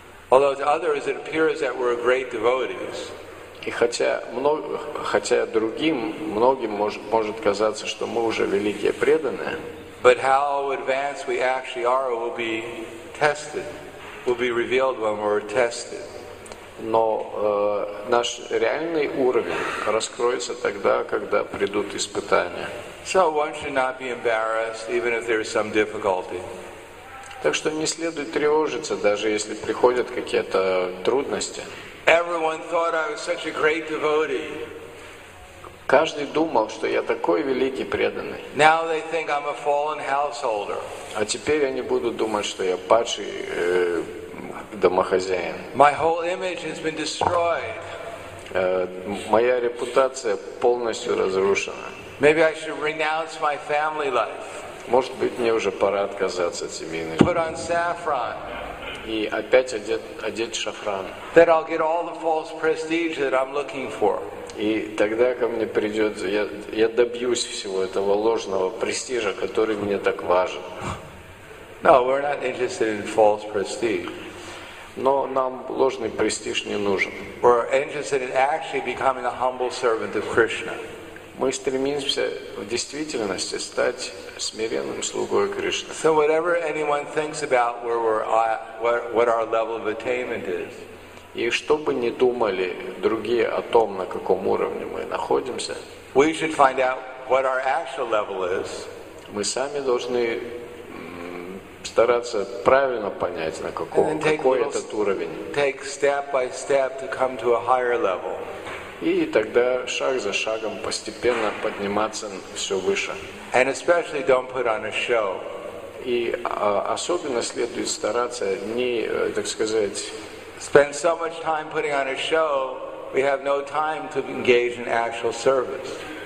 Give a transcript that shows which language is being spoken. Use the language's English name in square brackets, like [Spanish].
[English] Although to others it appears that we're great devotees. [Russian] И хотя другим, многим может казаться, что мы уже великие преданные. [English] But how advanced we actually are will be tested, will be revealed when we're tested. [Russian] Но наш реальный уровень раскроется тогда, когда придут испытания. [English] So one should not be embarrassed, even if there is some difficulty. [Russian] Так что не следует тревожиться, даже если приходят какие-то трудности. [English] Everyone thought I was such a great devotee. [Russian] Каждый думал, что я такой великий преданный. [English] Now they think I'm a fallen householder. [Russian] А теперь они будут думать, что я падший домохозяин. [English] My whole image has been destroyed. [Russian] моя репутация полностью разрушена. [English] Maybe I should renounce my family life. [Russian] Может быть, мне уже пора отказаться от семейной жизни. [English] Put on saffron. [Russian] И опять одеть шафран. [English] That I'll get all the false prestige that I'm looking for. [Russian] И тогда ко мне придет, я добьюсь всего этого ложного престижа, который мне так важен. [English] No, we're not interested in false prestige. [Russian] Но нам ложный престиж не нужен. [English] We're interested in actually becoming a humble servant of Krishna. [Russian] Мы стремимся в действительности стать смиренным слугой Кришны. [English] So whatever anyone thinks about where we're at, what our level of attainment is. [Russian] И что бы ни думали другие о том, на каком уровне мы находимся. [English] We should find out what our actual level is. [Russian] Мы сами должны стараться правильно понять, на каком, какой этот уровень. [English] Take step by step to come to a higher level. [Russian] И тогда шаг за шагом постепенно подниматься все выше. [English] And especially don't put on a show. [Russian] И особенно следует стараться не, так сказать, [English] spend so much time putting on a show, we have no time to engage in actual service.